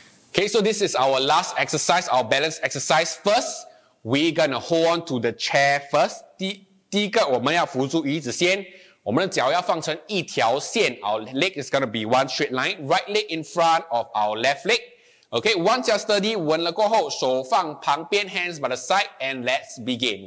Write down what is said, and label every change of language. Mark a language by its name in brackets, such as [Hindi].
[English] Okay, so this is our last exercise, our balance exercise. First, we're gonna hold on to the chair first. [Chinese] 第一个，我们要扶住椅子先。我们的脚要放成一条线。 [English] Our leg is gonna be one straight line. Right leg in front of our left leg. Okay, once you're steady, [Chinese] 稳了过后，手放旁边 [English] ，hands by the side, and let's begin.